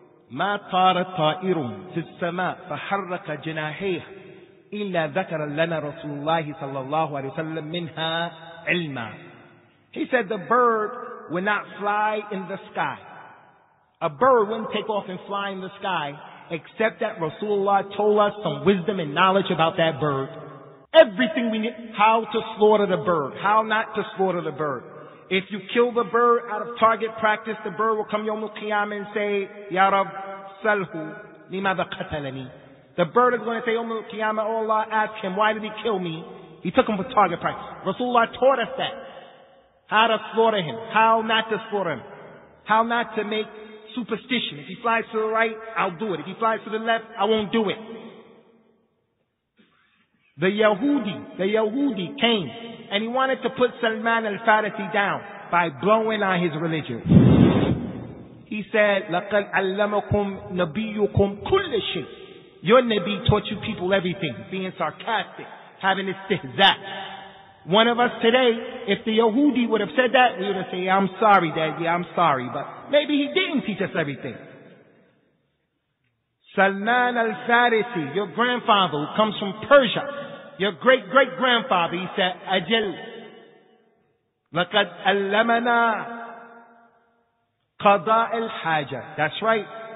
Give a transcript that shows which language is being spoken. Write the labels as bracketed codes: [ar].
[ar] ما طار طائر في السماء فحرك جناحيه إلا ذكر لنا رسول الله صلى الله عليه وسلم منها علما. [en] He said the bird would not fly in the sky. A bird wouldn't take off and fly in the sky except that Rasulullah told us some wisdom and knowledge about that bird. Everything we need, how to slaughter the bird, how not to slaughter the bird. If you kill the bird out of target practice, the bird will come yawm al-qiyamah and say, [ar] Ya Rab, salhu, lima dha qatalani. [en] The bird is going to say, O Qiyamah, O Allah, ask him, why did he kill me? He took him for target price. Rasulullah taught us that. How to slaughter him. How not to slaughter him. How not to make superstition. If he flies to the right, I'll do it. If he flies to the left, I won't do it. The Yahudi came and he wanted to put Salman al-Farisi down by blowing on his religion. He said, [ar] لَقَدْ عَلَّمَكُمْ نَبِيُّكُمْ كُلَّ شَيْءٍ. [en] Your Nabi taught you people everything, being sarcastic, having istihza. One of us today, if the Yahudi would have said that, we would have said, I'm sorry, Daddy, I'm sorry. But maybe he didn't teach us everything. Salman al-Farisi, your grandfather, who comes from Persia, your great-great-grandfather, he said, [ar] أَجَلْ لَقَدْ أَلَّمَنَا قَضَاءِ الْحَاجَةِ. [en] That's right.